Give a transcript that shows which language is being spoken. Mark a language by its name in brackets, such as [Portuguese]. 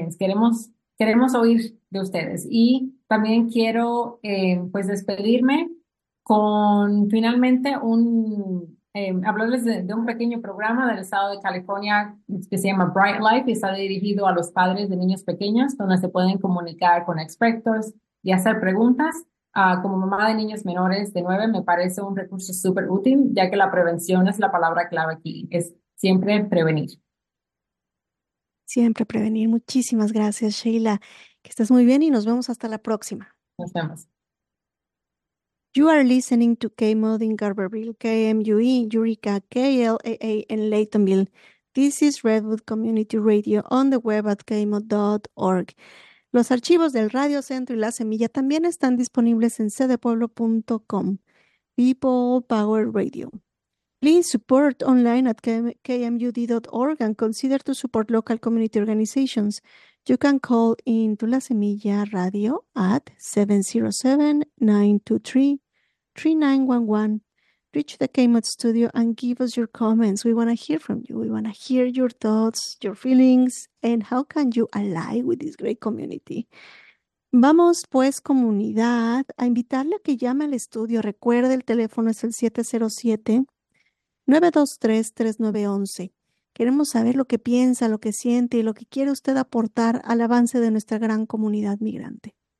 [Spanish] Queremos oír de ustedes. Y también quiero pues despedirme con finalmente un hablarles de un pequeño programa del estado de California que se llama Bright Life y está dirigido a los padres de niños pequeños, donde se pueden comunicar con expertos y hacer preguntas. Como mamá de niños menores de 9, me parece un recurso súper útil, ya que la prevención es la palabra clave aquí. Es siempre prevenir. Siempre prevenir. Muchísimas gracias, Sheila. Que estés muy bien y nos vemos hasta la próxima. Nos vemos. [English] You are listening to K-Mod in Garberville, KMUE, Eureka, KLAA in Laytonville. This is Redwood Community Radio on the web at kmod.org. [Spanish] Los archivos del Radio Centro y La Semilla también están disponibles en cdepueblo.com. [English] People Power Radio. Please support online at kmud.org and consider to support local community organizations. You can call in to La Semilla Radio at 707-923-3911. Reach the KMOD studio and give us your comments. We want to hear from you. We want to hear your thoughts, your feelings, and how can you ally with this great community. [Spanish] Vamos, pues, comunidad, a invitarle a que llame al estudio. Recuerde, el teléfono es el 707-923-3911. Queremos saber lo que piensa, lo que siente y lo que quiere usted aportar al avance de nuestra gran comunidad migrante.